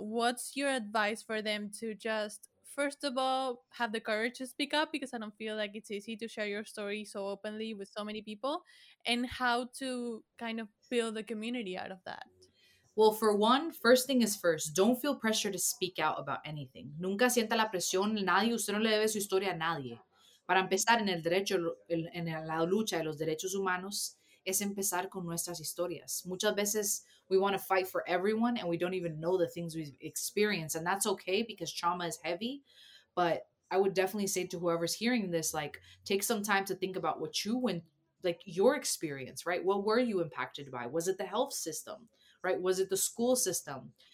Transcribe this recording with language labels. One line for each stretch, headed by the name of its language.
English: What's your advice for them to just, first of all, have the courage to speak up? Because I don't feel like it's easy to share your story so openly with so many people. And how to kind of build a community out of that? Well, for one, first thing is first, don't feel pressure to speak out about anything.
Spanish: Nunca sienta la presión, nadie, usted no le debe su historia a nadie. Para empezar en el derecho, en la lucha de los derechos humanos, es empezar con nuestras historias. Muchas veces
English: we want to fight for everyone and we don't even know the things we've experienced. And that's okay because trauma is heavy. But I would definitely say to whoever's hearing this, like, take some time to think about what you went, like your experience, right? What were you impacted by? Was it the health system? Right? Was it the school system?